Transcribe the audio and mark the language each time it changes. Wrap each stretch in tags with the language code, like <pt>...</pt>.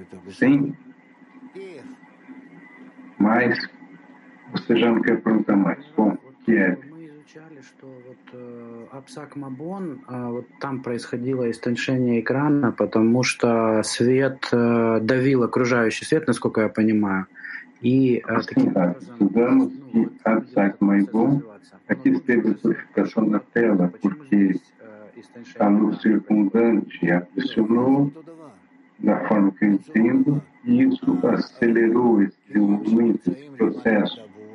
<pt>Sim? Mas você já não quer perguntar mais. Bom, o que é?</pt> <ru>Что вот Апсак Мабон, вот там происходило истончение экрана, потому что свет давил окружающий свет, насколько я понимаю. И таким образом...</ru> <pt>Апсак Мабон, aqui esteve purificação na tela, porque a luz circundante adicionou, da forma que eu entendo, e isso acelerou esse, muito esse processo.</pt>